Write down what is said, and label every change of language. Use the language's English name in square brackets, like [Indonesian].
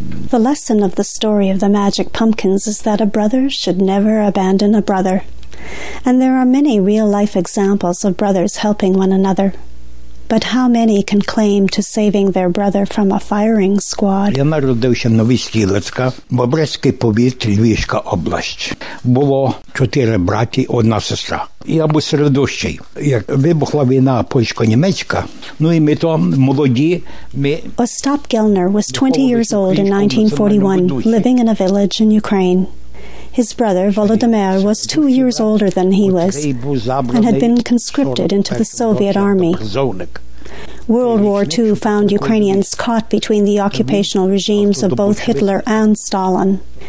[English] The lesson of the story of the magic pumpkins is that a brother should never abandon a brother. And there are many real-life examples of brothers helping one another. But how many can claim to saving their brother from a firing squad? [Ukrainian] Я народився в Новій Стрілецька, Бобрецький повіт, Львівська область. Було чотири брати, одна сестра. Я був середущий. Як вибухла війна польсько-німецька, ну і ми то молоді, ми... [English] Остап Гелнер was 20 years old in 1941, living in a village in Ukraine. His brother, Volodymyr, was 2 years older than he was and had been conscripted into the Soviet army. World War II found Ukrainians caught between the occupational regimes of both Hitler and Stalin.